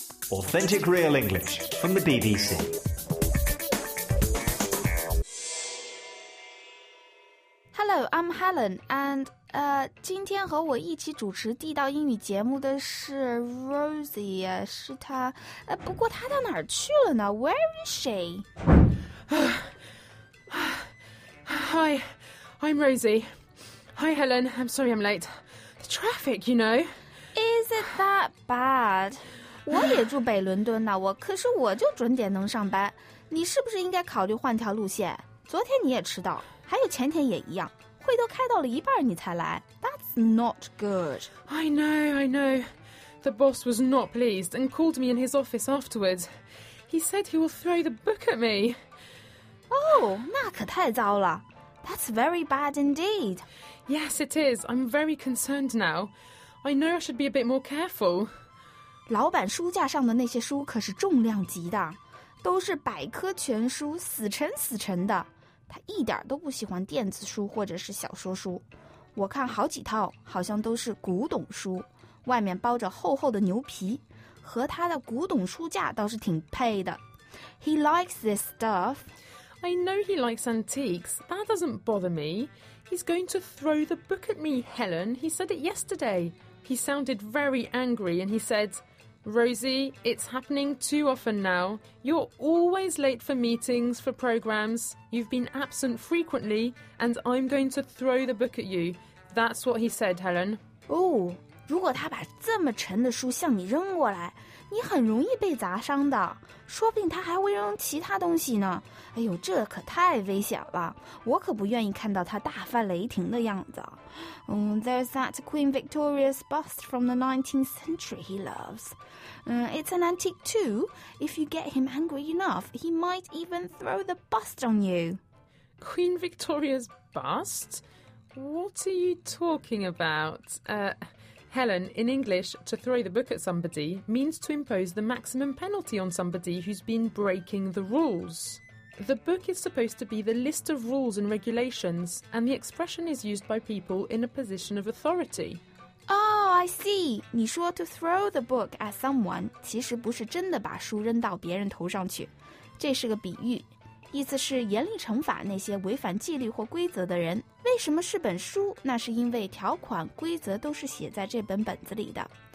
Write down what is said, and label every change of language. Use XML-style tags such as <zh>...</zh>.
<en>Authentic Real English from the BBC. Hello, I'm Helen, and</en> <zh>今天和我一起主持地道英语节目的是 Rosie, 是她，不过她到哪儿去了呢？</zh> <en>Where is she? Hi, I'm Rosie. Hi, Helen, I'm sorry I'm late. The traffic, you know. Is it that bad?</en> <zh>我也住北伦敦呢，我可是我就准点能上班。你是不是应该考虑换条路线？昨天你也迟到，还有前天也一样，会都开到了一半你才来。</zh> <en>That's not good. I know, I know. The boss was not pleased and called me in his office afterwards. He said he will throw the book at me. Oh,</en> <zh>那可太糟了。</zh> <en>That's very bad indeed. Yes, it is. I'm very concerned now. I know I should be a bit more careful.</en> <zh>老板书架上的那些书可是重量级的，都是百科全书，死沉死沉的。他一点都不喜欢电子书或者是小说书。我看好几套，好像都是古董书，外面包着厚厚的牛皮，和他的古董书架倒是挺配的。</zh> <en>He likes this stuff. I know he likes antiques. That doesn't bother me. He's going to throw the book at me, Helen. He said it yesterday. He sounded very angry and he said, Rosie, it's happening too often now. You're always late for meetings, for programs. You've been absent frequently and I'm going to throw the book at you. That's what he said, Helen.</en> <zh>Oh, 如果他把这么沉的书向你扔过来，你很容易被砸伤的。说不定他还会扔其他东西呢。哎呦，这可太危险了。我可不愿意看到他大发雷霆的样子。</zh> <en>There's that Queen Victoria's bust from the 19th century he loves. It's an antique too. If you get him angry enough, he might even throw the bust on you. Queen Victoria's bust? What are you talking about? Helen, in English, to throw the book at somebody means to impose the maximum penalty on somebody who's been breaking the rules. The book is supposed to be the list of rules and regulations, and the expression is used by people in a position of authority. Oh, I see.</en> <zh>你说</zh> <en>to throw the book at someone</en> <zh>其实不是真的把书扔到别人头上去。这是个比喻。意思是严厉惩罚那些违反纪律或规则的人。为什么是本书？那是因为条款、规则都是写在这本本子里的。</zh>